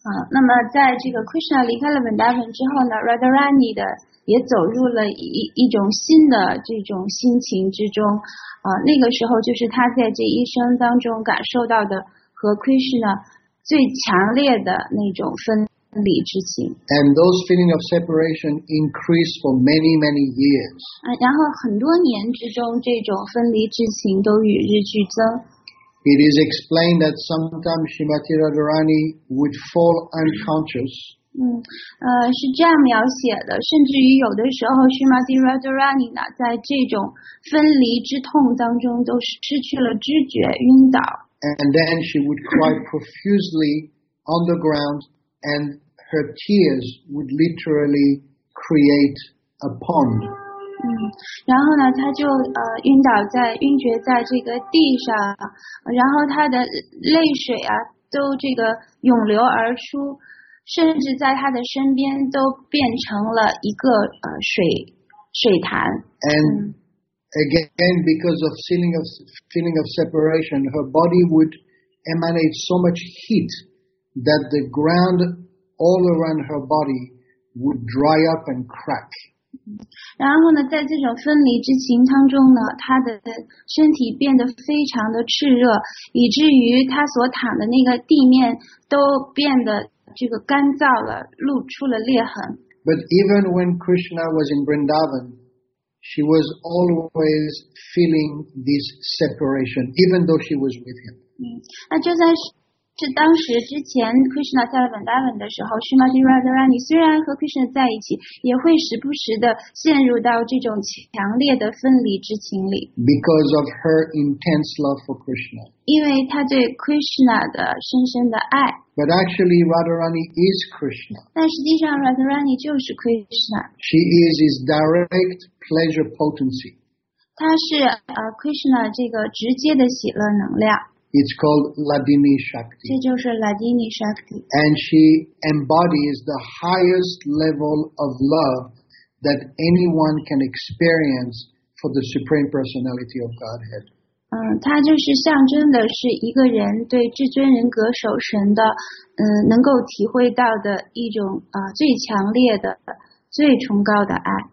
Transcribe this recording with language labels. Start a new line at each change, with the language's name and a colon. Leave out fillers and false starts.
Chinese: 那么在这个 Krishna 离开了 Vrindavan 之后呢， Radharani 的也走入了一种新的这种心情之中。那个时候就是她在这一生当中感受到的和 Krishna最强烈的那种分理之行。
English: And those feeling of separation increased for many, many years.
Chinese: 然后很多年之中，这种分离之情都与日俱增。
English: It is explained that sometimes Srimati Radharani would fall unconscious.
Chinese: 是这样描写的，甚至于有的时候 ，Srimati Radharani 呢，在这种分离之痛当中，都失去了知觉，晕倒。
English: And then she would cry profusely on the ground, and her tears would literally create a pond.
Chinese: 然后呢，她就晕厥在这个地上，然后她的泪水啊，都这个涌流而出，甚至在她的身边都变成了一个水潭。
English: And again, because of feeling of separation, her body would emanate so much heat that the ground all around her body would dry up and crack.
Chinese: 然后呢，在这种分离之情当中呢，她的身体变得非常的炽热，以至于她所躺的那个地面都变得这个干燥了，露出了裂痕。
English: But even when Krishna was in Vrindavan,She was always feeling this separation, even though she was with him.
Chinese: 那就在这当时之前 ，Krishna 在 Vrindavan 的时候 ，Srimati Radharani 虽然和 Krishna 在一起，也会时不时的陷入到这种强烈的分离之情里。
English: Because of her intense love for Krishna.
Chinese: 因为她对 Krishna 的深深的爱。
English: But actually, Radharani is Krishna.
Chinese: 但实际上 ，Radharani 就是 Krishna.
English: She is his direct pleasure potency.
Chinese: 她是Krishna 这个直接的喜乐能量。
English: It's called Ladini Shakti.
Chinese: 这就是 Ladini Shakti.
English: And she embodies the highest level of love that anyone can experience for the Supreme Personality of Godhead.
Chinese: 它就是象征的是一个人对至尊人格守神的，能够体会到的一种最强烈的、最崇高的爱。